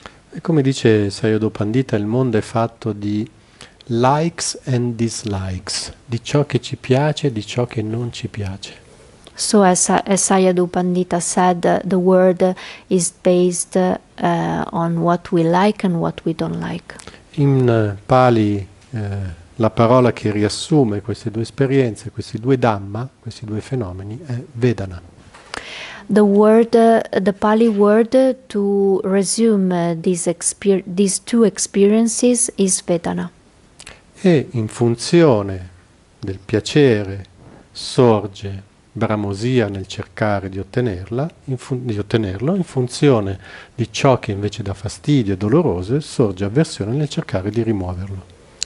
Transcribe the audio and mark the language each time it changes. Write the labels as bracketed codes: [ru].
[it] E come dice Sayadaw Pandita, il mondo è fatto di [en] likes and dislikes, [it] di ciò che ci piace e di ciò che non ci piace. [en] So as Sayadaw Pandita said, the world is based on what we like and what we don't like. [it] In Pali, la parola che riassume queste due esperienze, questi due dhamma, questi due fenomeni, è vedana. [en] The Pali word to resume these two experiences is Vedana. [it] E in funzione del piacere sorge bramosia nel cercare di ottenerla, di ottenerlo, in funzione di ciò che invece dà fastidio e doloroso, sorge avversione nel cercare di rimuoverlo.